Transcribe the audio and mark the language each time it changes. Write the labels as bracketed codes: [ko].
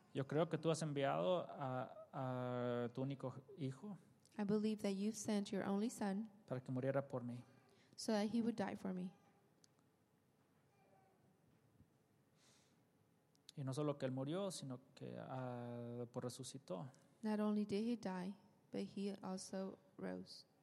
[es] Yo creo que tú has enviado a tu único hijo. [en] I believe that you've sent your only son. [es] Para que muriera por mí. [en] So that he would die for me. [es] Y no solo que él murió, sino que por resucitó. [en] Not only did he die, but he also rose.